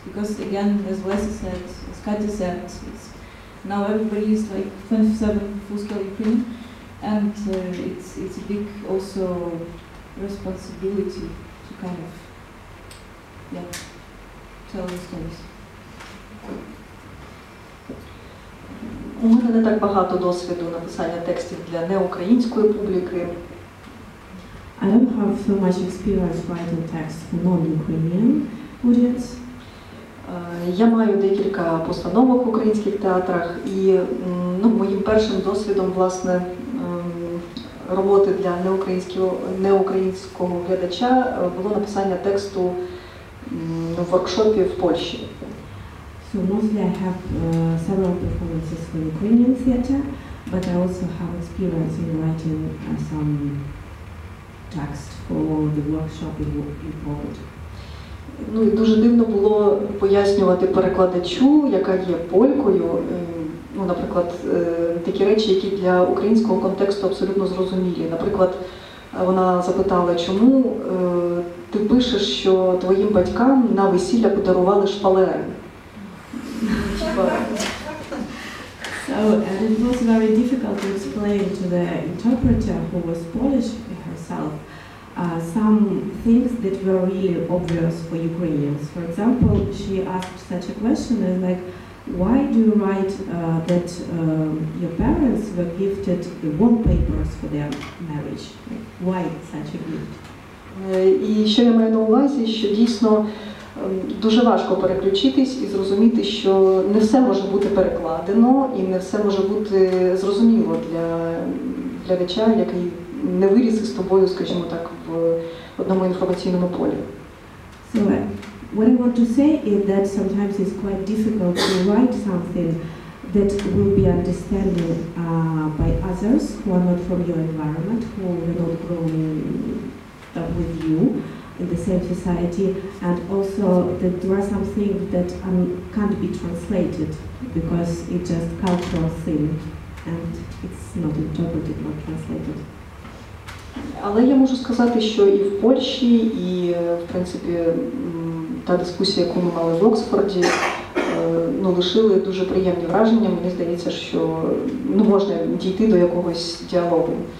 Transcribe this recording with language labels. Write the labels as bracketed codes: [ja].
[en] Because again, as Wes said, as Katja said, it's now everybody is like 27 full-scale Ukraine, and it's a big also responsibility to kind of tell the stories. [uk] У мене не так багато досвіду написання текстів для неукраїнської публіки. [en] I don't have so much experience writing texts for non-Ukrainian audience. [uk] Я маю декілька постановок в українських театрах, і моїм першим досвідом, власне, роботи для неукраїнського глядача було написання тексту в воркшопі в Польщі. [en] So mostly I have several performances for Ukrainian theater, but I also have experience in writing some text for the workshop in Poland. [uk] Ну, і дуже дивно було пояснювати перекладачу, яка є полькою, наприклад, такі речі, які для українського контексту абсолютно зрозумілі. Наприклад, вона запитала, чому ти пишеш, що твоїм батькам на весілля подарували шпалери? [en] So, and it was very difficult to explain to the interpreter, who was Polish herself, some things that were really obvious for Ukrainians. For example, she asked such a question as like, why do you write that your parents were gifted the wall papers for their marriage? Like, why such a gift? [uk] І ще я маю на увазі, що дійсно дуже важко переключитись і зрозуміти, що не все може бути перекладено і не все може бути зрозуміло для реча, який не виріс із тобою, скажімо так, в одному інформаційному полі. [en] So, what I want to say is that sometimes it's quite difficult to write something that will be understandable by others who are not from your environment, who are not growing up with you in the same society, and also that there are some things that can't be translated because it's just a cultural thing and it's not interpreted, not translated. [uk] Але я можу сказати, що і в Польщі, і, в принципі, та дискусія, яку ми мали в Оксфорді, ну, лишили дуже приємні враження. Мені здається, що не можна дійти до якогось діалогу.